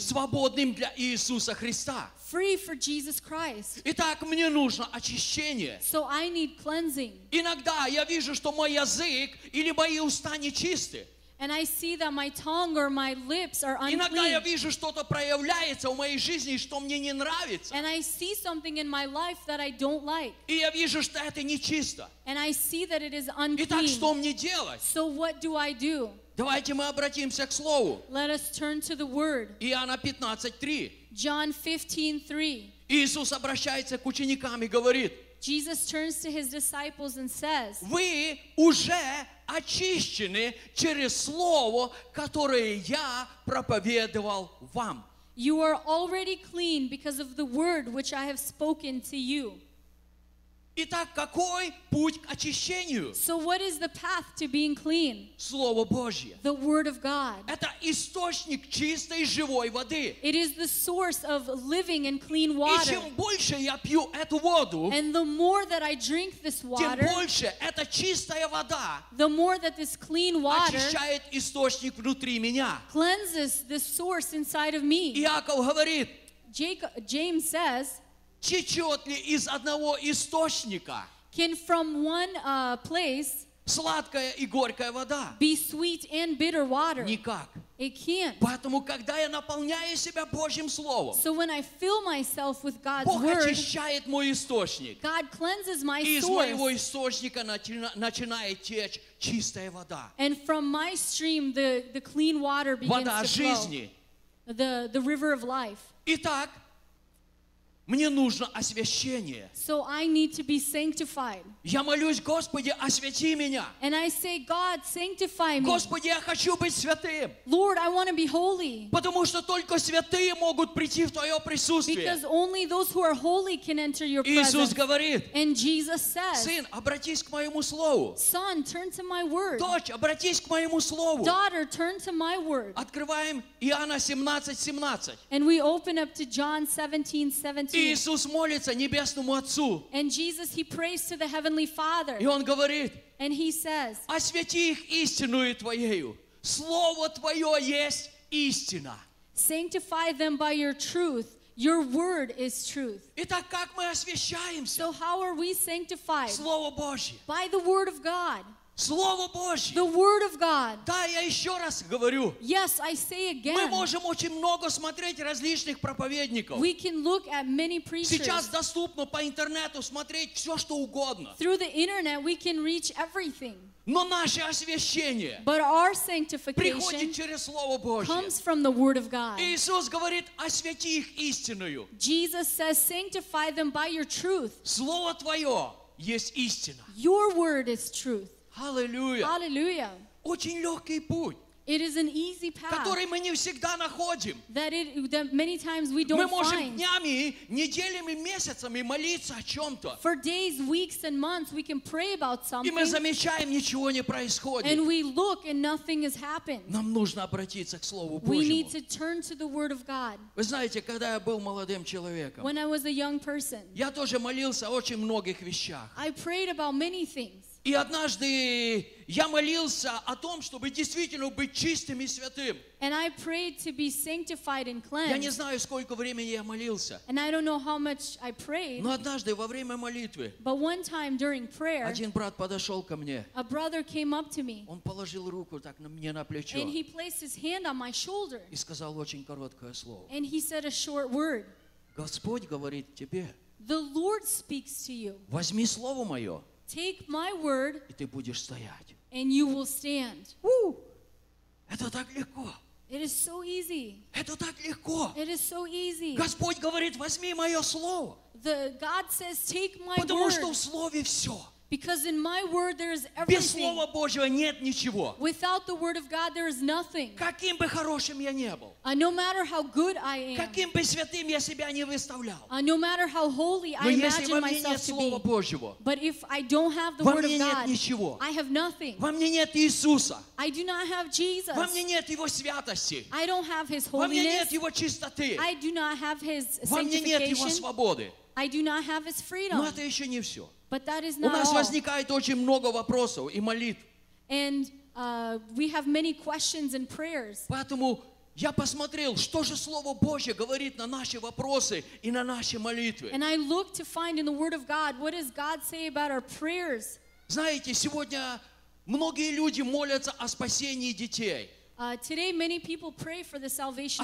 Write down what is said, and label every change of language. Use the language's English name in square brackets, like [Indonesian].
[Russian] Свободным для Иисуса Христа. [English] Free for Jesus Christ. [Russian] Итак, мне нужно очищение. [English] So I need cleansing. [Russian] Иногда я вижу, что мой язык или мои уста не чисты. [English] And I see that my tongue or my lips are unclean. [Russian] Иногда я вижу, что-то проявляется в моей жизни, что мне не нравится. [English] And I see something in my life that I don't like. [Russian] И я вижу, что это нечисто. [English] And I see that it is unclean. [Russian] Итак, что мне делать? [English] So what do I do? [Russian] Давайте мы обратимся к Слову. [English] Let us turn to the word. [Russian] Иоанна 15:3. [English] John 15:3. [Russian] Иисус обращается к ученикам и говорит. [English] Jesus turns to his disciples and says. [Russian] Вы уже очищены через слово, которое я проповедовал вам. [English] You are already clean because of the word which I have spoken to you. [Russian] Итак, какой путь к очищению? [English] So what is the path to being clean? [Russian] Слово Божье. [English] The word of God. [Russian] Это источник чистой живой воды. [English] It is the source of living and clean water. [Russian] И чем больше я пью эту воду, [English] and the more that I drink this water, [Russian] тем больше эта чистая вода, [English] the more that this clean water, [Russian] очищает источник внутри меня, [English] cleanses the source inside of me. [Russian] Иаков говорит, [English] James says, [Russian] Течет ли из одного источника? [English] Can from one place [Russian] Сладкая и горькая вода. [English] Be sweet and bitter water. [Russian] Никак. [English] It can't. [Russian] Поэтому, когда я наполняю себя Божьим Словом, [English] so when I fill myself with God's [Russian] Бог [English] word, [Russian] очищает мой источник. [English] God cleanses my [Russian] и [English] source. [Russian] Из моего источника начинает течь чистая вода. [English] And from my stream, the clean water begins [Russian] вода [English] to flow. [Russian] Вода жизни. [English] The river of life. [Russian] Итак, мне нужно освящение. [English] So I need to be sanctified. [Russian] Я молюсь, Господи, освяти меня. [English] And I say, God, sanctify me. [Russian] Господи, я хочу быть святым. [English] Lord, I want to be holy. [Russian] Потому что только святые могут прийти в Твое присутствие. [English] Because only those who are holy can enter your presence. [Russian] Иисус говорит. [English] And Jesus says. [Russian] Сын, обратись к моему слову. [English] Son, turn to my word. [Russian] Дочь, обратись к моему слову. [English] Daughter, turn to my word. [Russian] Открываем Иоанна 17:17. [English] And we open up to John 17:17. [Russian] Иисус молится Небесному Отцу. [English] And Jesus, he prays to the Heavenly Father. [Russian] И Он говорит, [English] and he says, [Russian] освяти их истиною Твоею. Слово Твое есть истина. [English] Sanctify them by your truth. Your word is truth. [Russian] Итак, как мы освящаемся? [English] So how are we sanctified? [Russian] Слово Божье. [English] By the word of God. [Russian] Слово Божье. [English] The word of God. [Russian] Да, я еще раз говорю. [English] Yes, I say again. [Russian] Мы можем очень много смотреть различных проповедников. [English] We can look at many preachers. [Russian] Сейчас доступно по интернету смотреть все, что угодно. [English] Through the internet, we can reach everything. [Russian] Но наше освящение приходит через Слово Божье. [English] Comes from the word of God. [Russian] Иисус говорит, освяти их истиною. [English] Jesus says, sanctify them by your truth. [Russian] Слово Твое есть истина. [English] Your word is truth. Hallelujah. Hallelujah. [Russian] Очень легкий путь. [English] It is an easy path. [Russian] Который мы не всегда находим. [English] That many times we don't find. [Russian] Мы можем [English] find. [Russian] Днями, неделями, месяцами молиться о чем-то. [English] For days, weeks, and months we can pray about something. [Russian] И мы замечаем, ничего не происходит. [English] And we look and nothing has happened. [Russian] Нам нужно обратиться к Слову Божьему. [English] We need to turn to the word of God. [Russian] Вы знаете, когда я был молодым человеком. [English] When I was a young person. [Russian] Я тоже молился о очень многих вещах. [English] I prayed about many things. [Russian] И однажды я молился о том, чтобы действительно быть чистым и святым. [English] And I prayed to be sanctified and cleansed. [Russian] Я не знаю, сколько времени я молился. [English] And I don't know how much I prayed. [Russian] Но однажды во время молитвы. [English] But one time during prayer. [Russian] Один брат подошел ко мне. [English] A brother came up to me. [Russian] Он положил руку так мне на плечо. [English] And he placed his hand on my shoulder. [Russian] И сказал очень короткое слово. [English] And he said a short word. [Russian] Господь говорит тебе. [English] The Lord speaks to you. [Russian] Возьми слово мое. [English] Take my word, and you will stand. [Russian] Это так легко. [English] It is so easy. [Russian] Это так легко. [English] It is so easy. [Russian] Господь говорит, возьми мое слово. [English] The God says, take my word. [Russian] Потому что в слове все. [English] Because in my word there is everything. [Russian] Без слова Божьего нет ничего. [English] Without the word of God there is nothing. [Russian] Каким бы хорошим я не был. [English] No matter how good I am. [Russian] Каким бы святым я себя не выставлял. [English] No matter how holy I imagine myself to be. [Russian] Божьего, [English] but if I don't have the word of God. [Russian] Ничего. [English] I have nothing. [Russian] Во мне нет Иисуса. [English] I do not have Jesus. [Russian] Во мне нет его святости. [English] I don't have his holiness. [Russian] Во мне нет его чистоты. [English] I do not have his [Russian] во мне нет его свободы. [English] I do not have his freedom. [Russian] Но это еще не все. [English] But that is not [Russian] у нас [English] all. [Russian] Возникает очень много вопросов и молитв. [English] And we have many questions and prayers. [Russian] Поэтому я посмотрел, что же Слово Божье говорит на наши вопросы и на наши молитвы. [English] And I looked to find in the Word of God, what does God say about our prayers? [Russian] Знаете, сегодня многие люди молятся о спасении детей. [English] Today many people pray for the salvation